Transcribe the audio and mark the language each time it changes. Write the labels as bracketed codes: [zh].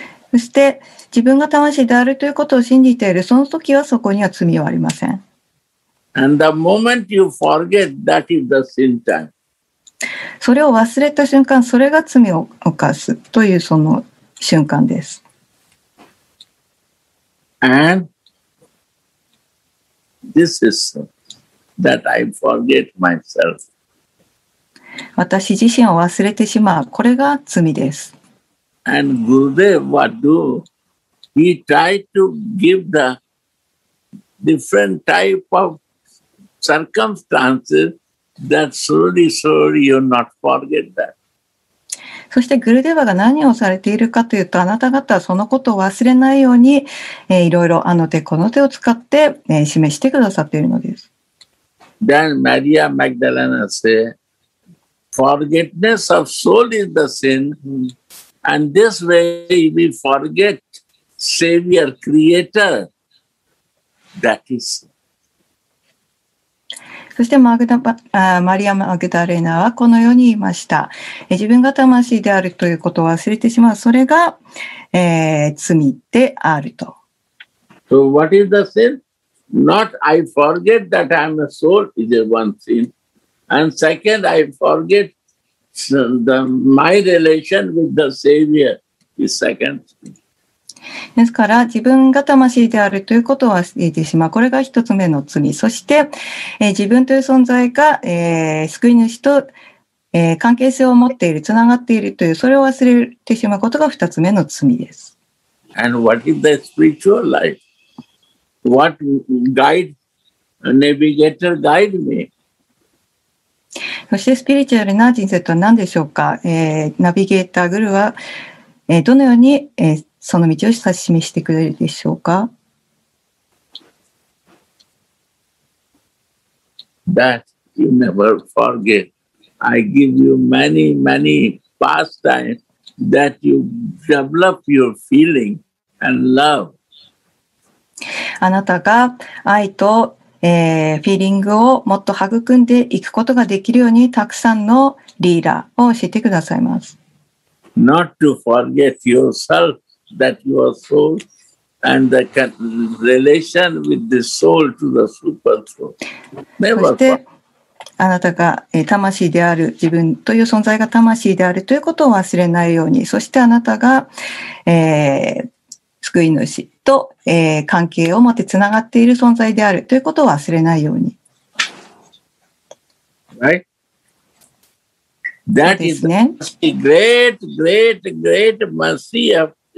[ja] そして、自分が魂であるということを信じている、その時はそこには罪はありません。 [en] And the moment you forget, that is the sin time. [ja] それを忘れた瞬間、それが罪を犯すというその瞬間です。 [en] And this is that I forget myself. [ja] 私自身を忘れてしまう、これが罪です。 [en] And Gurudev what do? He tried to give the different type of circumstances. That slowly, slowly you not forget that. [ja] そしてグルデヴァが何をされているかというと、あなた方はそのことを忘れないように、いろいろあの手この手を使って、示してくださっているのです。 [en] Then Maria Magdalena said, forgetfulness of soul is the sin, and this way we forget Savior, Creator, that is. [ja] そしてマリア・マグダレーナはこのように言いました。自分が魂であるということを忘れてしまう。それが、罪であると。 [en] So what is the sin? Not I forget that I am a soul is a one sin. And second, I forget my relation with the Savior is second sin. [ja] ですから自分が魂であるということを忘れてしまう。これが一つ目の罪。そして、自分という存在が、救い主と、関係性を持っている、つながっているという、それを忘れてしまうことが二つ目の罪です。 [en] And what is the spiritual life? What guide, navigator guide me? [ja] そしてスピリチュアルな人生とは何でしょうか、ナビゲーターグルは、どのように、その道を指し示してくれるでしょうか。 [en] That you never forget. I give you many, many pastimes that you develop your feeling and love. [ja] あなたが愛と、フィーリングをもっと育んでいくことができるように、たくさんのリーダーを教えてくださいます。 [en] Not to forget yourselfthat your soul and the relation with the soul to the super soul. [ja] そしてあなたが魂である、自分という存在が魂であるということを忘れないように、そしてあなたが、救い主と、関係を持ってつながっている存在であるということを忘れないように。 [en] Right? That is the great, great, great mercy of